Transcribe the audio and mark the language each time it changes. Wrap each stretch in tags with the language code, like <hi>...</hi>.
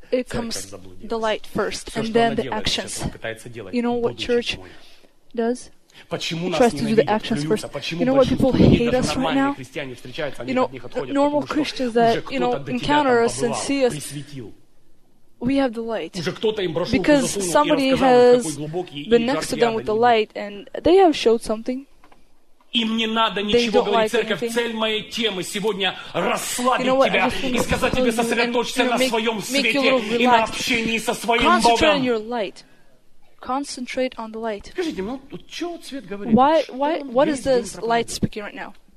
<en>It comes the light first, and then the actions. You know what church does?</en> <ru>Почему нас ненавидят, плюются? Почему большинство людей, даже нормальные христиане, встречаются, они от них отходят, потому что уже кто-то до тебя там побывал, присветил.</ru> <en>We have the light. Because somebody has been next to them with the light, and they have showed something.</en> <ru>Им не надо ничего говорить, церковь, цель моей темы сегодня расслабить тебя и сказать тебе сосредоточься на своем свете и на общении со своим Богом.</ru> <en>Concentrate on the light.</en> <ru>Скажите, ну, что цвет говорит?</ru> <en>Why what is this light speaking right now?</en>